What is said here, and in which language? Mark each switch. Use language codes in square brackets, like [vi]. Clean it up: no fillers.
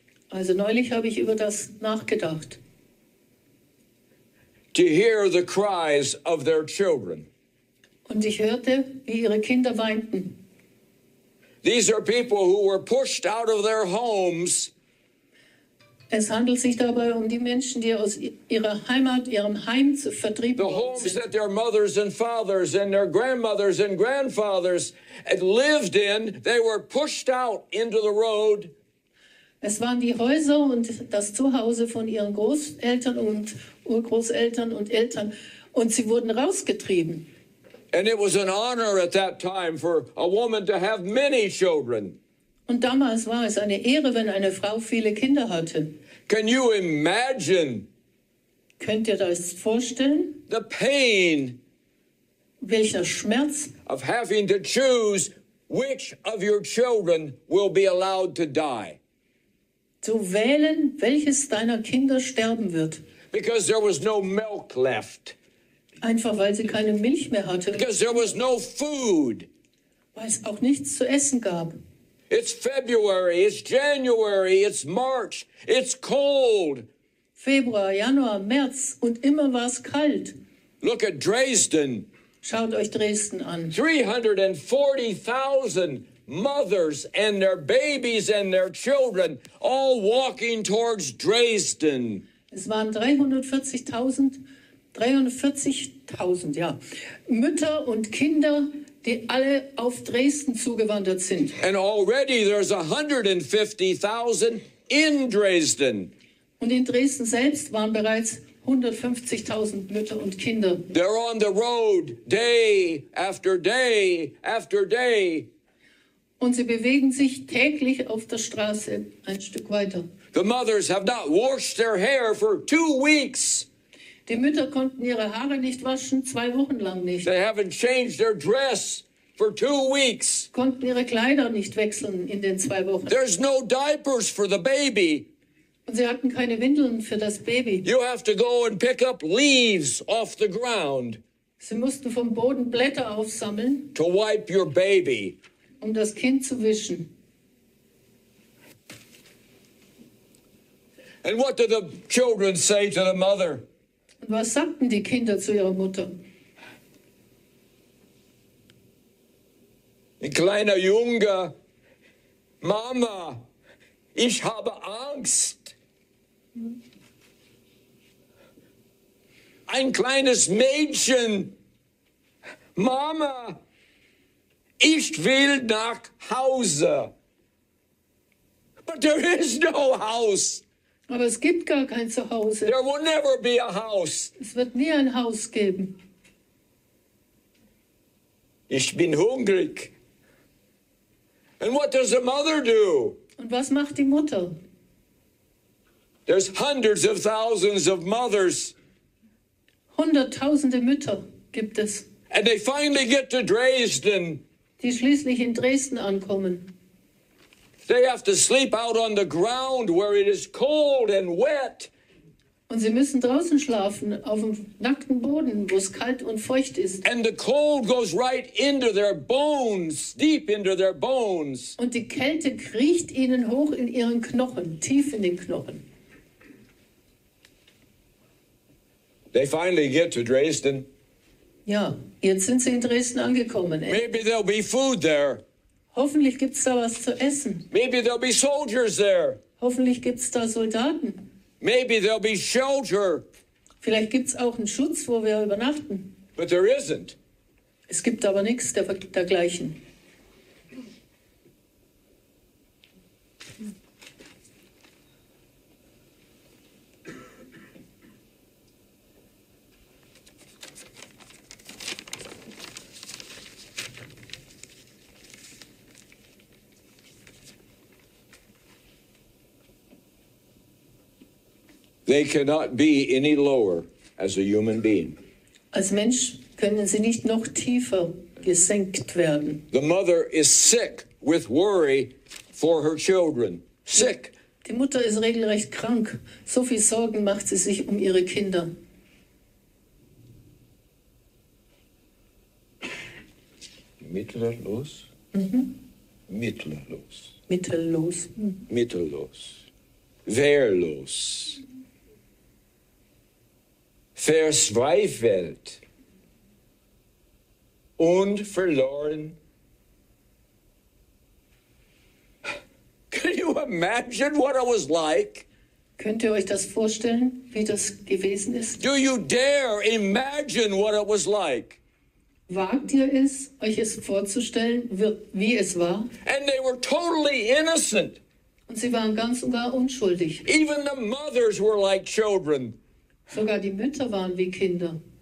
[de] Also neulich habe ich über das nachgedacht. [en] To hear the cries of their children. [de] Und ich hörte, wie ihre Kinder weinten. [en] These are people who were pushed out of their homes. [de] Es handelt sich dabei um die Menschen, die aus ihrer Heimat, ihrem Heim vertrieben worden sind. [en] The homes that their mothers and fathers and their grandmothers and grandfathers had lived in, they were pushed out into the road. [de] Es waren die Häuser und das Zuhause von ihren Großeltern und Urgroßeltern und Eltern, und sie wurden rausgetrieben. [en] And it was an honor at that time for a woman to have many children. [de] Und damals war es eine Ehre, wenn eine Frau viele Kinder hatte. [en] Can you imagine? [de] Könnt ihr das vorstellen? [en] The pain. [de] Welcher Schmerz? [en] Of having to choose which of your children will be allowed to die. [de] Zu wählen, welches deiner Kinder sterben wird. [en] Because there was no milk left. [de] Einfach weil sie keine Milch mehr hatte. [en] Because there was no food. [de] Weil es auch nichts zu essen gab. [en] It's February, it's January, it's March, it's cold. [de] Februar, Januar, März, und immer war es kalt. [en] Look at Dresden. [de] Schaut euch Dresden an. [en] 340,000 mothers and their babies and their children all walking towards Dresden. [de] Es waren 340,000, ja, Mütter und Kinder, die alle auf Dresden zugewandert sind. [en] And already there's 150,000 in Dresden. [de] Und in Dresden selbst waren bereits 150,000 Mütter und Kinder. [en] They're on the road day after day after day. [de] Und sie bewegen sich täglich auf der Straße ein Stück weiter. [en] The mothers have not washed their hair for 2 weeks. [de] Die Mütter konnten ihre Haare nicht waschen, 2 Wochen lang nicht. [en] They haven't changed their dress for 2 weeks. [de] Konnten ihre Kleider nicht wechseln in den 2 Wochen. [en] There's no diapers for the baby. [de] Und sie hatten keine Windeln für das Baby. [en] You have to go and pick up leaves off the ground. [de] Sie mussten vom Boden Blätter aufsammeln. [en] To wipe your baby. [de] Um das Kind zu wischen. [en] And what do the children say to the mother? [de] Und was sagten die Kinder zu ihrer Mutter? Ein kleiner Junge, Mama, ich habe Angst. Ein kleines Mädchen, Mama, ich will nach Hause. [en] But there is no house. [de] Aber es gibt gar kein Zuhause. [en] There will never be a house. [de] Es wird nie ein Haus geben. Ich bin hungrig. [en] And what does the mother do? [de] Und was macht die Mutter? [en] There's hundreds of thousands of mothers. [de] Hunderttausende Mütter gibt es. [en] And they finally get to Dresden. [de] Die schließlich in Dresden ankommen. [en] They have to sleep out on the ground where it is cold and wet. [de] Und sie müssen draußen schlafen auf dem nackten Boden, wo es kalt und feucht ist. [en] And the cold goes right into their bones, deep into their bones. [de] Und die Kälte kriecht ihnen hoch in ihren Knochen, tief in den Knochen. [en] They finally get to Dresden. [de] Ja, jetzt sind sie in Dresden angekommen. [en] Maybe there'll be food there. [de] Hoffentlich gibt's da was zu essen. [en] Maybe there'll be soldiers there. [de] Hoffentlich gibt's da Soldaten. [en] Maybe there'll be shelter. [de] Vielleicht gibt's auch einen Schutz, wo wir übernachten. [en] But there isn't. [de] Es gibt aber nichts dergleichen. [en] They cannot be any lower as a human being. [de] Als Mensch können sie nicht noch tiefer gesenkt werden. [en] The mother is sick with worry for her children. Sick. [de] Die Mutter ist regelrecht krank. So viel Sorgen macht sie sich um ihre Kinder. Mittellos. Mhm. Mittellos. Mittellos. Mhm. Mittellos. Wehrlos. Verzweifelt. Und verloren. [en] Can you imagine what it was like? [de] Könnt ihr euch das vorstellen, wie das gewesen ist? [en] Do you dare imagine what it was like? [de] Wagt ihr es, euch es vorzustellen, wie es war? [en] And they were totally innocent. [de] Und sie waren ganz und gar unschuldig. [en] Even the mothers were like children. [de] Sogar die Mütter waren wie Kinder.